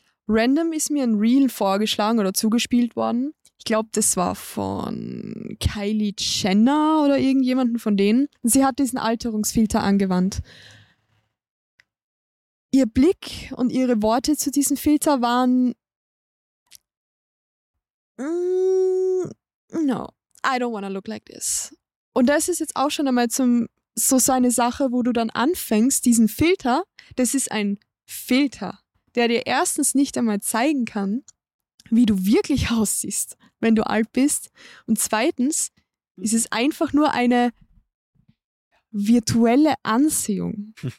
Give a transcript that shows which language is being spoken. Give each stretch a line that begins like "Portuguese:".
German: Random ist mir ein Reel vorgeschlagen oder zugespielt worden. Ich glaube, das war von Kylie Jenner oder irgendjemanden von denen. Sie hat diesen Alterungsfilter angewandt. Ihr Blick und ihre Worte zu diesem Filter waren...
English: no, I don't wanna look like this.
German: Und das ist jetzt auch schon einmal so eine Sache, wo du dann anfängst, diesen Filter, das ist ein Filter, der dir erstens nicht einmal zeigen kann, wie du wirklich aussiehst, wenn du alt bist. Und zweitens ist es einfach nur eine virtuelle Anziehung.